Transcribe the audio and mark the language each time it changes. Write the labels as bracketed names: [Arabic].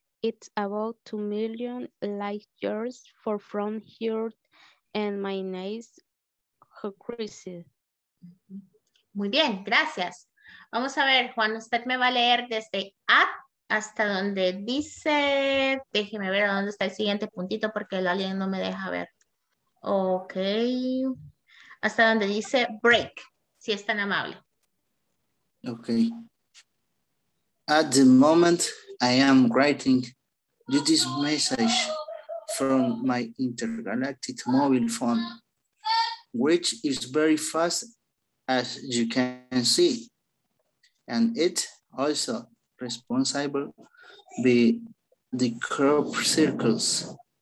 [English] It's about 2 million light years far from here and my name is Chrisid. [Spanish] Muy bien, gracias. Vamos a ver, Juan, usted me va a leer desde A hasta donde dice, déjeme ver a dónde está el siguiente puntito porque el alien no me deja ver. Ok, hasta donde dice break, si es tan amable. [English] Ok. At the moment, I am writing this message from my intergalactic mobile phone, which is very fast, as you can see, and it also responsible be the crop circles.